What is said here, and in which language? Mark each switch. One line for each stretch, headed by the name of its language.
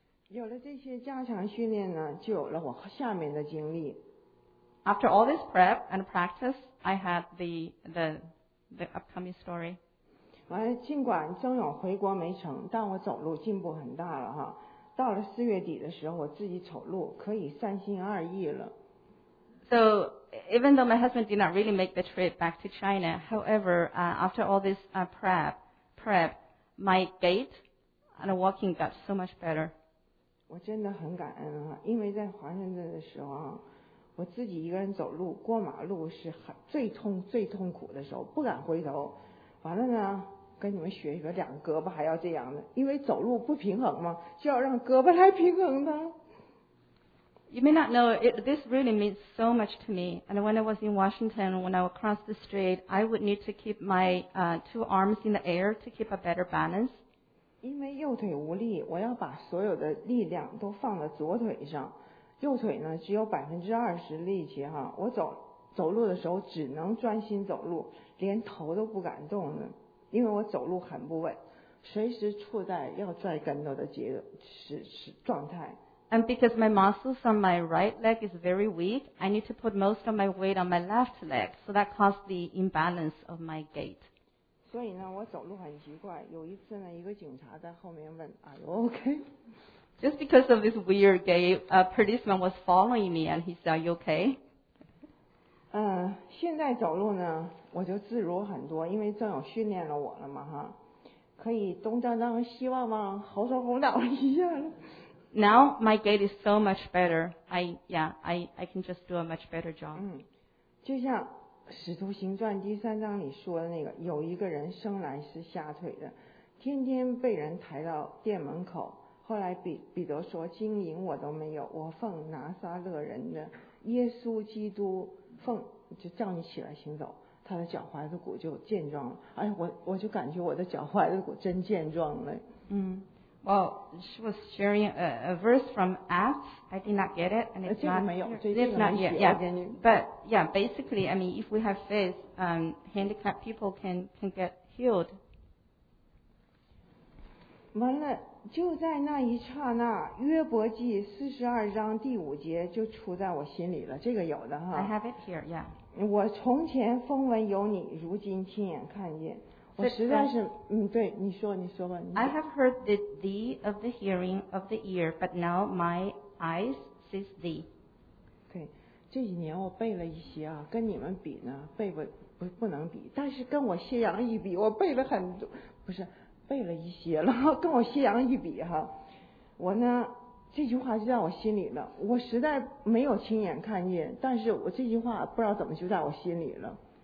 Chinese: 有了这些加强训练呢，就有了我下面的经历。
English: After all this prep and practice, I had the upcoming story.
Chinese: 完了，尽管曾勇回国没成，但我走路进步很大了哈。到了四月底的时候，我自己走路可以三心二意了。
English: So even though my husband did not really make the trip back to China, however, after all this prep, my gait and walking got so much better.
Chinese: 我真的很感恩啊，因为在华盛顿的时候。我自己一个人走路过马路是很最痛苦的时候，不敢回头。完了呢，跟你们学一学，两个胳膊还要这样的，因为走路不平衡嘛，就要让胳膊来平衡的。
English: You may not know it. This really means so much to me. And when I was in Washington, when I would cross the street, I would need to keep my two arms in the air to keep a better balance.
Chinese: 因为右腿无力，我要把所有的力量都放在左腿上。右腿呢只有20%力气哈，我走路的时候只能专心走路，连头都不敢动呢，因为我走路很不稳，随时处在要拽跟头的状态。
English: And because my muscles on my right leg is very weak, I need to put most of my weight on my left leg, so that caused the imbalance of my gait.
Chinese: 所以呢，我走路很奇怪。有一次呢，一个警察在后面问 ，
English: Are you okay？ Just because of this weird gait, a policeman was following me, and he said, "Are you okay?"
Chinese: 现在走路呢，我就自如很多，因为郑勇训练了我了嘛，哈，可以东张张西望望，猴头猴脑一下了。
English: Now my gait is so much better. I can just do a much better job.
Chinese: 就像《使徒行传》第三章里说的那个，有一个人生来是瞎腿的，天天被人抬到店门口。后来彼得说金银我都没有，我奉拿撒勒人的耶稣基督奉就叫你起来行走，他的脚踝的骨就健壮了。哎，我就感觉我的脚踝的骨真健壮了。
English: Well, Well, she was sharing a verse from Acts. I did not get it, and it's not. It's not yet. Yeah. But yeah, basically, I mean, if we have faith, handicapped people can get healed.
Chinese: 完了，就在那一刹那，约伯记四十二章第五节就出在我心里了。这个有的哈。
English: I have it here. Yeah.
Chinese: 我从前风闻有你，如今亲眼看见。我实在是，对，你说吧。
English: I have heard the thee of the hearing of the ear, but now my eyes sees thee.
Chinese: 对，这几年我背了一些啊，跟你们比呢，背不能比，但是跟我谢阳一比，我背了很多，不是背了一些了，跟我谢阳一比哈，我呢这句话就在我心里了，我实在没有亲眼看见，但是我这句话不知道怎么就在我心里了。